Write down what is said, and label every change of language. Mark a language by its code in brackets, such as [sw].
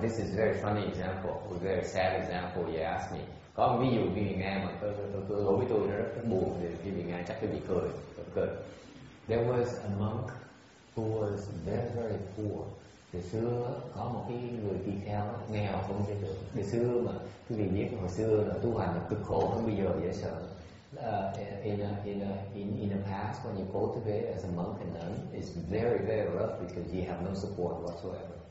[en] This is a very funny example, a very sad example you asked me. [vi] Có ví dụ khi mình nghe mà đối với tôi nó rất buồn thì khi mình nghe chắc cái bị cười, cười. [en] There was a monk who was very very poor. [vi] Thì xưa có một cái người tỳ kheo nghèo không thể được. Thì xưa mà quý vị biết hồi xưa là tu hành là cực khổ hơn bây giờ dễ sợ. [en] In the past when you cultivate as a monk and nun, it's very very rough because you have no support whatsoever.